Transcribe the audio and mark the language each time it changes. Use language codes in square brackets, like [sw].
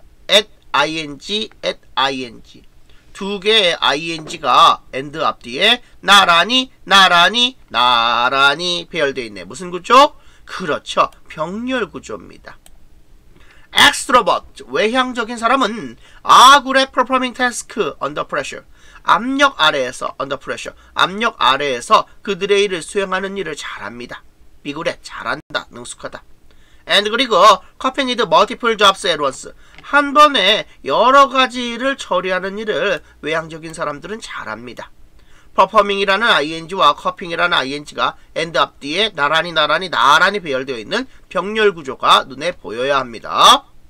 [ko] at ing, at ing. 두 개의 ing가 end 앞뒤에 나란히, 나란히, 나란히 배열되어 있네. 무슨 구조? 그렇죠. 병렬 구조입니다. [en] extrovert, [ko] 외향적인 사람은 [en] are good at performing task under pressure. [ko] 압력 아래에서, [en] under pressure. [ko] 압력 아래에서 그들의 일을 수행하는 일을 잘합니다. [en] be good at, [ko] 잘한다, 능숙하다. [en] and 그리고 cope with multiple jobs at once. [ko] 한 번에 여러 가지 일을 처리하는 일을 외향적인 사람들은 잘합니다. performing이라는 ing와 coping이라는 ing가 end 앞뒤에 나란히 나란히 나란히 배열되어 있는 병렬 구조가 눈에 보여야 합니다.